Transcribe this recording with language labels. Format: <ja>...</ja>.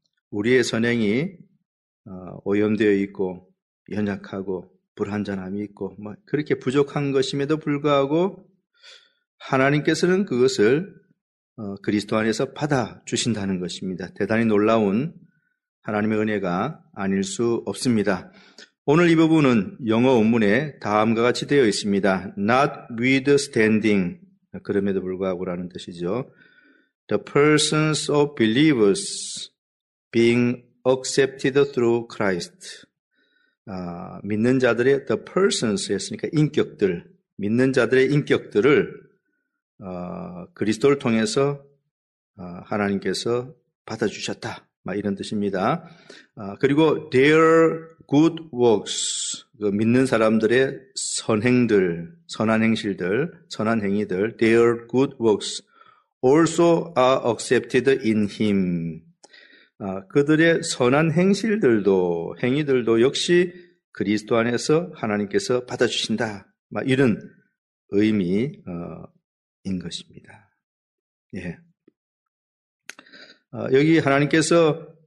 <ko>우리의 선행이 오염되어 있고 연약하고 불완전함이 있고 그렇게 부족한 것임에도 불구하고 하나님께서는 그것을 그리스도 안에서 받아주신다는 것입니다. 대단히 놀라운 하나님의 은혜가 아닐 수 없습니다. 오늘 이 부분은 영어 원문에 다음과 같이 되어 있습니다. Notwithstanding, 그럼에도 불구하고 라는 뜻이죠.</ko> <en>The persons of believers being accepted through Christ.</en> <ko>믿는 자들의</ko> <en>the persons</en> <ko>했으니까 인격들, 믿는 자들의 인격들을 그리스도를 통해서 하나님께서 받아주셨다. 이런 뜻입니다.</ko> <en>그리고 their good works,</en> <ko>그 믿는 사람들의 선행들, 선한 행실들, 선한 행위들,</ko> <en>their good works also are accepted in him.</en> <ko>그들의 선한 행실들도, 행위들도 역시 그리스도 안에서 하나님께서 받아주신다. 이런 의미인 것입니다. 예. 여기 하나님께서</ko>